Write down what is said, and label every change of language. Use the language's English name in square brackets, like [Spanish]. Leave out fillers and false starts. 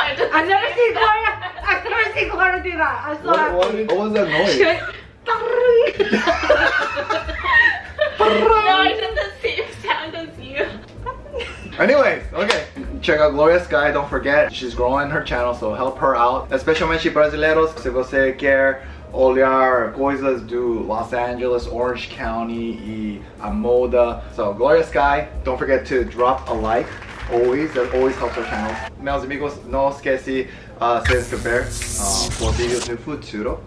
[English] I've never seen Gloria do that. I'm sorry. What was that noise? No, I did the same sound as you. Anyways, okay. Check out Gloria Sky. Don't forget, she's growing her channel, so help her out. [Portuguese] Especialmente brasileiros, se você quer olhar coisas do Los Angeles, Orange County e a moda. [English] So, Gloria Sky, don't forget to drop a like. Always, that always helps our channel. [Portuguese] Meus amigos, não esquece se inscrever por vídeos no futuro.